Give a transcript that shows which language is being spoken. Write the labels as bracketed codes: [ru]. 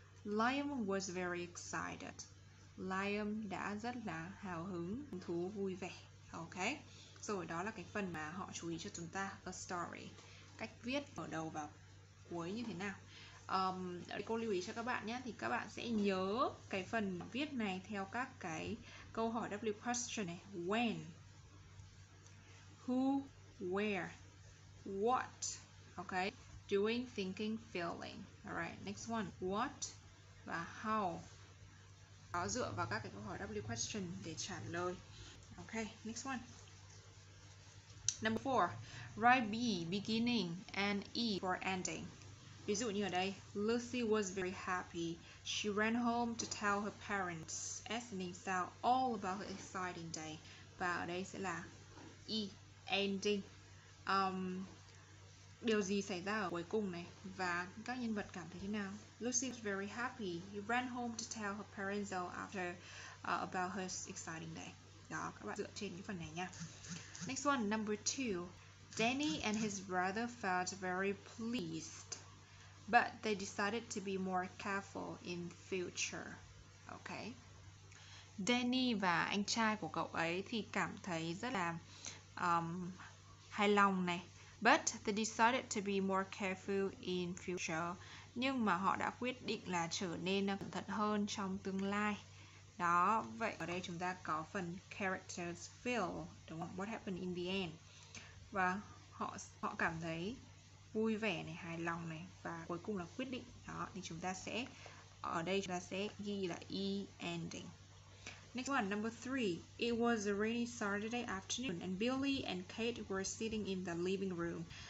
[en] Liam was very excited. [vi] Liam đã rất là hào hứng, thú vui vẻ. Ok, rồi đó là cái phần mà họ chú ý cho chúng ta, a story. Cách viết mở đầu và cuối như thế nào? Cô lưu ý cho các bạn nhé, thì các bạn sẽ nhớ cái phần viết này theo các cái câu hỏi W question này. [en] When, who, where, what, okay, doing, thinking, feeling. Alright, next one, [vi] what và how. Đó, dựa vào các cái câu hỏi W question để trả lời. [en] Okay, next one. Number 4, write B, beginning, and E for ending. [vi] Ví dụ như ở đây, [en] Lucy was very happy. She ran home to tell her parents, S meaning sao, all about her exciting day. [vi] Và ở đây sẽ là E, ending. Điều gì xảy ra ở cuối cùng này? Và các nhân vật cảm thấy thế nào? [en] Lucy was very happy. She ran home to tell her parents all after about her exciting day. [vi] Đó, các bạn dựa trên cái phần này nha. [en] Next one, number two. Danny and his brother felt very pleased, but they decided to be more careful in future. Okay. [vi] Danny và anh trai của cậu ấy thì cảm thấy rất là hài lòng này. [en] But they decided to be more careful in future. [vi] Nhưng mà họ đã quyết định là trở nên cẩn thận hơn trong tương lai. Đó, vậy ở đây chúng ta có phần characters feel, đúng không? [en] What happened in the end? [vi] Và họ cảm thấy vui vẻ này, hài lòng này và cuối cùng là quyết định. Đó, thì chúng ta sẽ ở đây chúng ta sẽ ghi là e ending. [en] Next one, number three. It was a rainy Saturday afternoon and Billy and Kate were sitting in the living room.